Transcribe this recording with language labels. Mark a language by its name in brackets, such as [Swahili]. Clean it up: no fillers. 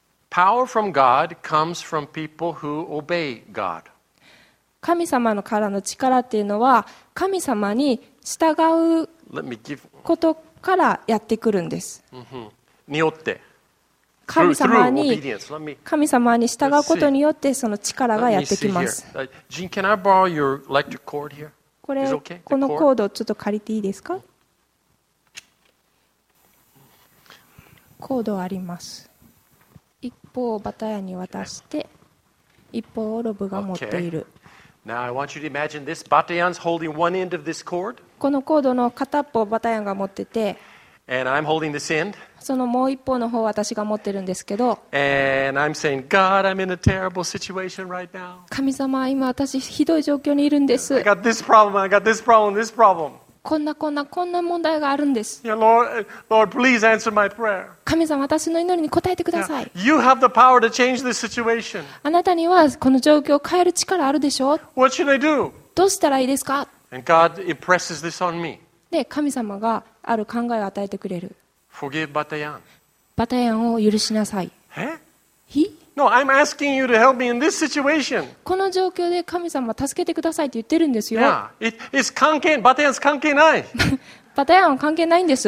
[English] Power from God comes from people who obey God. [Japanese] 神様のからの力っていうのは神様に従うことからやってくるんです。によって神様に神様に従うことによってその力がやってきます。 [English] Jean, can I borrow your electric cord here? [Japanese] これこのコードちょっと借りていいですか？コードあります。一方をバタヤに渡して一方をロブが持っている、 [English] okay. Now I want you to imagine this. Batayan's holding one end of this cord. [Japanese] このコードの片っぽをバタヤンが持ってて [English] And I'm holding this end. [Japanese] そのもう一方の方を私が持ってるんですけど [English] And I'm saying, God, I'm in a terrible situation right now. [Japanese] 神様今私ひどい状況にいるんです [English] I got this problem, I got this problem, this problem. [Japanese] こんなこんなこんな問題があるんです。 [English] Yeah, Lord, Lord, please answer my prayer. [Japanese] 神様、私の祈りに答えてください。 [English] Now, you have the power to change this situation. [Japanese] あなたにはこの状況を変える力あるでしょう。 [English] What should I do? [Japanese] どうしたらいいですか。 [English] And God impresses this on me. [Japanese] で、神様がある考えを与えてくれる。 [English] Forgive Batayan. [Japanese] バタヤンを許しなさい。え？ [English] No, I'm asking you to help me in this situation. [Japanese] この状況で神様助けてくださいって言ってるんですよ。 [English] Yeah, it's [Japanese] 関係、バタヤン関係ない。バタヤンは関係ないんです。